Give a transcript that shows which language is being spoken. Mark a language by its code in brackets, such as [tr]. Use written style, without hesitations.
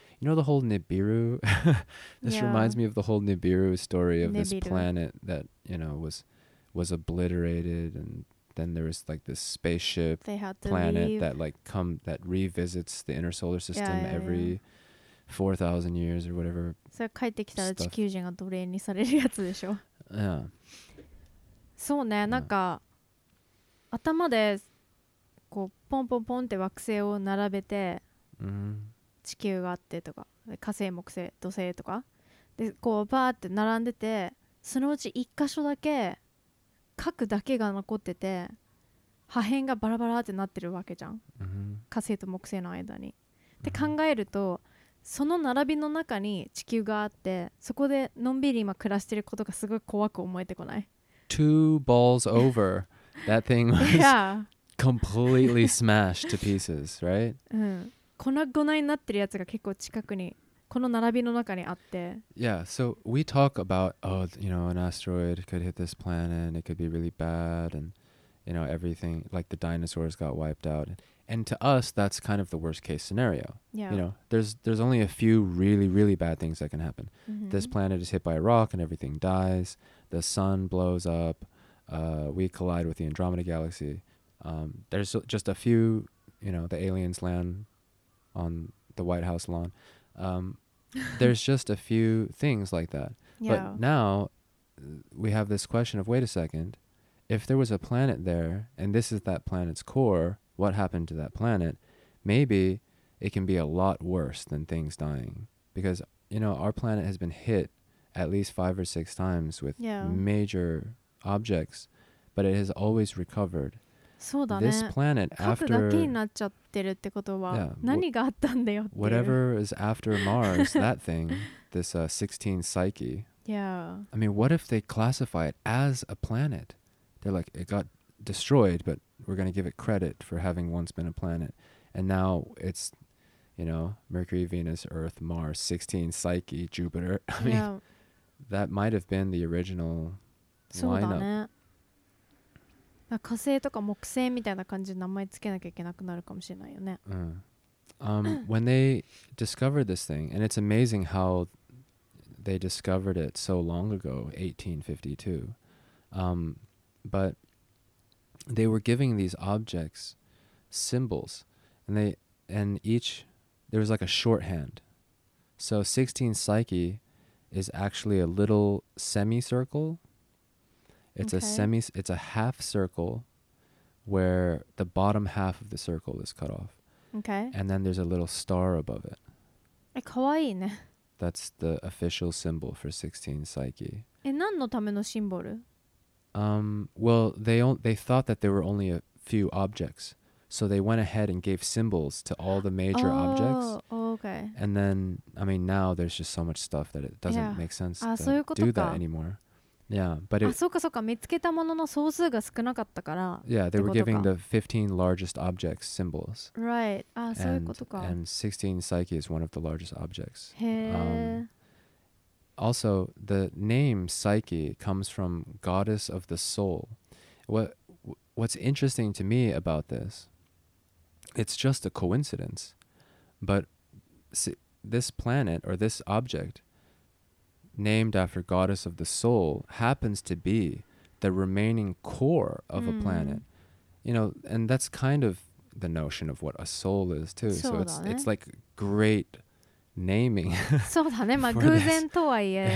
[en] You know the whole Nibiru? This reminds me of the whole Nibiru story of this planet that, you know, was obliterated, and then there was like this spaceship planet that like come that revisits the inner solar system every 4,000 years or whatever. [ja] それ帰ってきたら地球人が奴隷にされるやつでしょ。そうね、なんか頭でこうポンポンポンって惑星を並べて、地球があってとか火星木星土星とかでこうバーって並んでて、そのうち一箇所だけ核だけが残ってて、破片がバラバラってなってるわけじゃん、火星と木星の間に。って考えると、その並びの中に地球があって、そこでのんびり今暮らしてることがすごい怖く思えてこない。 [en] Two balls over. That thing was completely smashed to pieces, right? [ja] 粉々になってるやつが結構近くに、この並びの中にあって。 [en] Yeah, so we talk about, oh, you know, an asteroid could hit this planet and it could be really bad, and you know, everything, like the dinosaurs got wiped out. And to us, that's kind of the worst case scenario. Yeah. You know, there's only a few really, really bad things that can happen. This planet is hit by a rock and everything dies. The sun blows up. We collide with the Andromeda Galaxy. There's just a few, you know, the aliens land on the White House lawn. there's just a few things like that. Yeah. But now we have this question of, wait a second, if there was a planet there and this is that planet's core, what happened to that planet? Maybe it can be a lot worse than things dying, because, you know, our planet has been hit at least 5 or 6 times with major objects, but it has always recovered. [ja] そうだね。 [en] This planet after, [ja] 核だけになっちゃってるってことは、何があったんだよっていう。 [en] Whatever is after Mars, that thing, this 16 Psyche. Yeah. I mean, what if they classify it as a planet? They're like, it got destroyed, but we're going to give it credit for having once been a planet. And now it's, you know, Mercury, Venus, Earth, Mars, 16 Psyche, Jupiter. I mean, that might have been the original lineup. [ja] そうだね。火星とか木星みたいな感じで名前つけなきゃいけなくなるかもしれないよね。 [en] when they discovered this thing, and it's amazing how they discovered it so long ago, 1852, but they were giving these objects symbols, and they, and each, there was like a shorthand. So 16 Psyche is actually a little semicircle. It's a semi, it's a half circle where the bottom half of the circle is cut off. Okay. And then there's a little star above it. [ja] え、かわいいね。 [en] That's the official symbol for 16 Psyche. [ja] え、何のためのシンボル? [en] Well, they thought that there were only a few objects. So they went ahead and gave symbols to all the major objects. Oh, okay. And then, I mean, now there's just so much stuff that it doesn't make sense to [ja] そういうことか。 [en] do that anymore. Yeah, but [ja] it, あ、そうかそうか。見つけたものの総数が少なかったから。 [en] Yeah, they were giving the 15 largest objects symbols. [ja] Right. あ、そういうことか。 [en] And 16 Psyche is one of the largest objects. [ja] へえ。 [en] Also, the name Psyche comes from goddess of the soul. What's interesting to me about this, it's just a coincidence, but this planet or this object named after goddess of the soul happens to be the remaining core of a planet, you know, and that's kind of the notion of what a soul is too. So it's like great naming. [ja] そうだね。まあ偶然とはいえ、